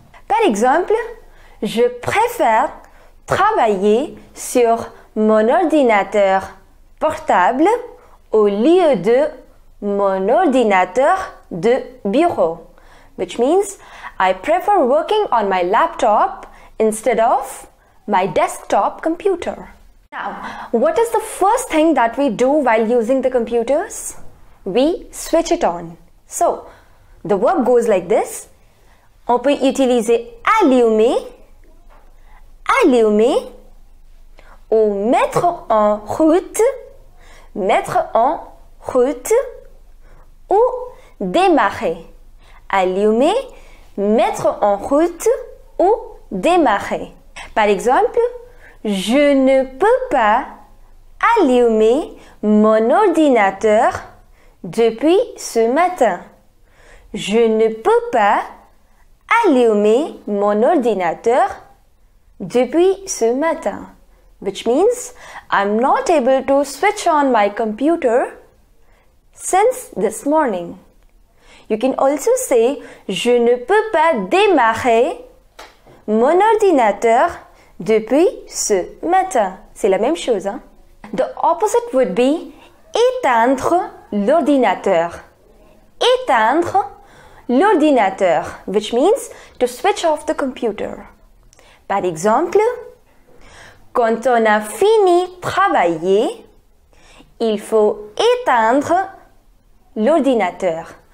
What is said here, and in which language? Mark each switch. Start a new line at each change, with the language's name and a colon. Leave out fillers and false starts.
French: Par exemple, je préfère travailler sur mon ordinateur portable au lieu de mon ordinateur de bureau,
English: which means I prefer working on my laptop instead of my desktop computer. Now, what is the first thing that we do while using the computers? We switch it on. So, the verb goes like this.
French: On peut utiliser allumer, ou mettre en route, ou démarrer. Allumer, mettre en route, ou démarrer. Par exemple, je ne peux pas allumer mon ordinateur depuis ce matin. Je ne peux pas allumer mon ordinateur depuis ce matin.
English: Which means, I'm not able to switch on my computer since this morning. You can also say,
French: je ne peux pas démarrer mon ordinateur depuis ce matin. C'est la même chose, hein?
English: The opposite would be
French: éteindre l'ordinateur. Éteindre l'ordinateur,
English: which means to switch off the computer.
French: Par exemple, quand on a fini travailler, il faut éteindre l'ordinateur.